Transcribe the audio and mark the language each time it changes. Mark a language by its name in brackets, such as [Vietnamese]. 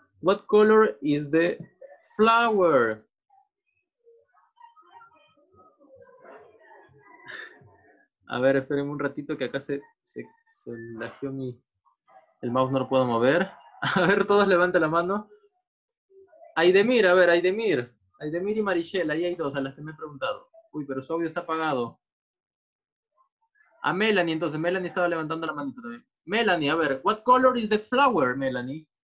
[English] What color is the flower? [Spanish] A ver, esperen un ratito que acá se lagió mi... El mouse no lo puedo mover. A ver, todos levanten la mano. Aydemir. Aydemir y Marichelle, ahí hay dos a las que me he preguntado. Uy, pero su audio está apagado. A Melanie, entonces. Melanie estaba levantando la mano también. Melanie, a ver. [English] What color is the flower, Melanie?